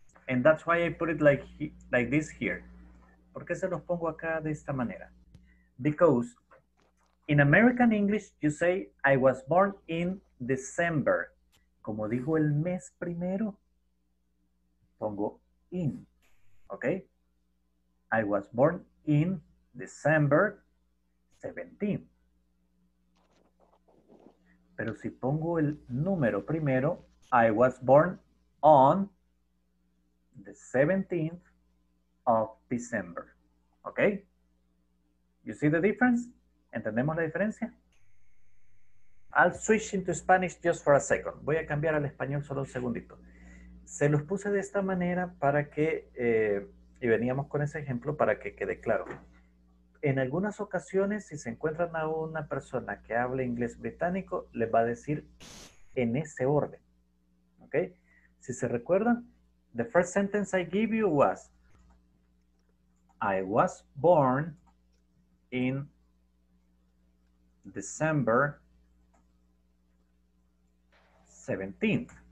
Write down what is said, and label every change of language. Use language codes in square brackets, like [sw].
[en] And that's why I put it like this here. [es] ¿Por qué se los pongo acá de esta manera? [en] Because in American English, you say, I was born in December. [es] Como digo el mes primero, pongo in, okay? [en] I was born in December 17. [es] Pero si pongo el número primero, [en] I was born on the 17th of December, okay? You see the difference? [es] ¿Entendemos la diferencia? [en] I'll switch into Spanish just for a second. [es] Voy a cambiar al español solo un segundito. Se los puse de esta manera para que, y veníamos con ese ejemplo para que quede claro. en algunas ocasiones, si se encuentran a una persona que habla inglés británico, les va a decir en ese orden. ¿Ok? Si se recuerdan, [en] the first sentence I give you was, I was born in December 17th.